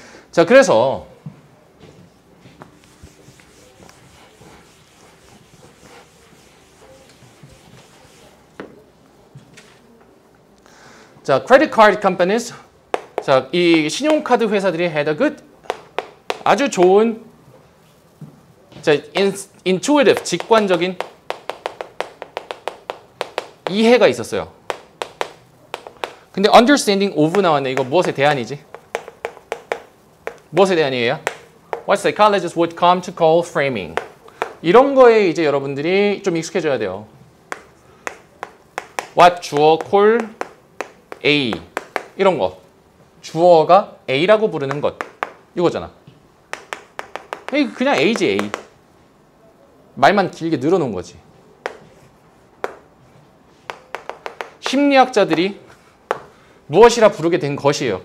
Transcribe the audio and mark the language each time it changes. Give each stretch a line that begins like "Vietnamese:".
Korean: 자, 그래서 자, credit card companies, 자, 이 신용카드 회사들이
English: had a good,
Korean: 아주 좋은, 자, intuitive, 직관적인 이해가 있었어요. 근데 understanding of 나왔네. 이거 무엇의 대안이지? 무엇에 대한 이해야?
English: What psychologists would come to call framing.
Korean: 이런 거에 이제 여러분들이 좀 익숙해져야 돼요. What 주어 call A. 이런 거. 주어가 A라고 부르는 것. 이거잖아. 그냥 A지 A. 말만 길게 늘어놓은 거지. 심리학자들이 무엇이라 부르게 된 것이에요.